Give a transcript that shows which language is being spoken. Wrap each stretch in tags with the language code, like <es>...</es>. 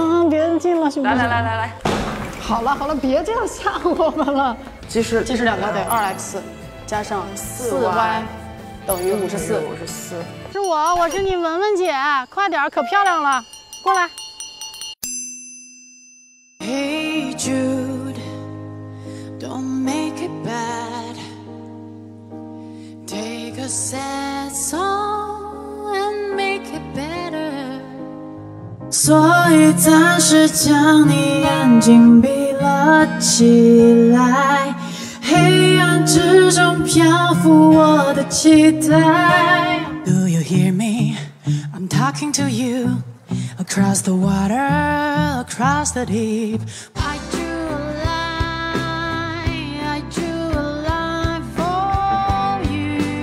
<zh>别进了，兄弟！来！好了好了，别这样吓我们了。计时两个得2x。加上4y 等于54。是我，我是你文文姐，快点，可漂亮了，过来。</zh> <en>Hey Jude, don't make it bad. Take a sad song and make it better.</en> <zh>所以暂时将你眼睛闭了起来。黑暗之中漂浮我的期待。</zh> <en>Do you hear me? I'm talking to you. Across the water, across the deep. I drew a line, I drew a line for you.</en>